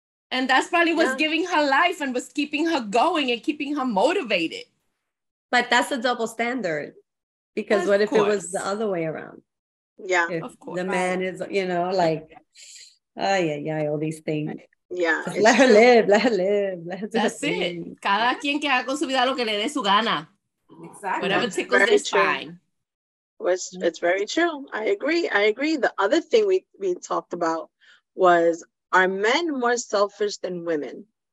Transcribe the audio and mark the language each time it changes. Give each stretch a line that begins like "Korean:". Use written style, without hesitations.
English: And that's probably what's giving her life and was keeping her going and keeping her motivated. But that's a double standard. Because what if it was the other way around? Yeah, if of course. The man is, you know, like, oh, yeah, yeah, all these things. Yeah. Let her live, let her live. Let her that's it.
Spanish: Cada quien que haga con su vida lo que le dé su gana.
English: Exactly. Whatever tickles is fine. It's very true. I agree. The other thing we talked about was, are men more selfish than women?